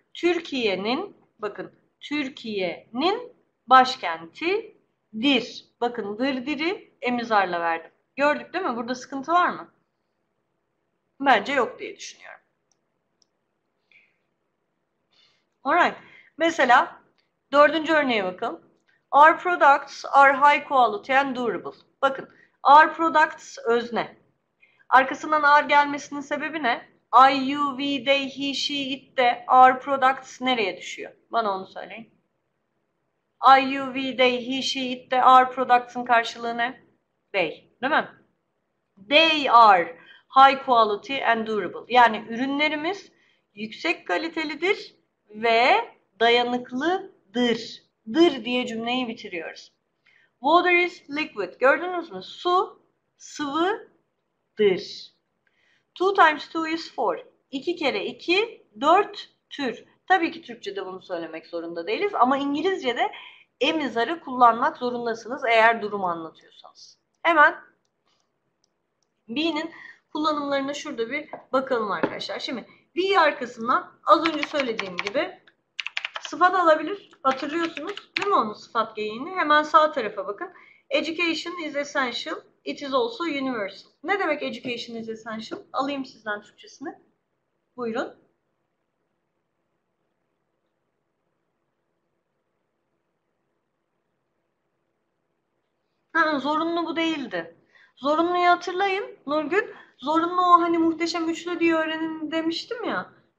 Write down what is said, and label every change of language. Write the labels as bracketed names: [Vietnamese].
[Turkish] Türkiye'nin, bakın, Türkiye'nin başkenti dir. Bakın dırdiri emizarla verdim. Gördük değil mi? Burada sıkıntı var mı? Bence yok diye düşünüyorum. Alright. Mesela dördüncü örneğe bakalım. [English] Our products are high quality and durable. [Turkish] Bakın. [English] Our products [Turkish] özne. Arkasından [English] are [Turkish] gelmesinin sebebi ne? [English] I, you, we, they, he, she, it, de. [Turkish] Our products nereye düşüyor? Bana onu söyleyin. [English] I, you, we, they, he, she, it, the, our products'ın [Turkish] karşılığı ne? [English] They. [Turkish] Değil mi? [English] They are high quality and durable. [Turkish] Yani ürünlerimiz yüksek kalitelidir ve dayanıklıdır. Dır diye cümleyi bitiriyoruz. [English] Water is liquid. [Turkish] Gördünüz mü? Su sıvıdır. [English] 2 times 2 is 4. [Turkish] 2 kere 2 4 tür. Tabii ki Türkçe'de bunu söylemek zorunda değiliz ama İngilizce'de emizarı kullanmak zorundasınız eğer durumu anlatıyorsanız. Hemen be'nin kullanımlarına şurada bir bakalım arkadaşlar. Şimdi be arkasından az önce söylediğim gibi sıfat alabilir. Hatırlıyorsunuz değil mi onun sıfat geyiğini? Hemen sağ tarafa bakın. [English] Education is essential. It is also universal. [Turkish] Ne demek [English] education is essential? [Turkish] Alayım sizden Türkçesini. Buyurun. Ha, zorunlu bu değildi. Zorunluyu hatırlayın Nurgül. Zorunlu o hani muhteşem üçlü diye öğrenin demiştim ya.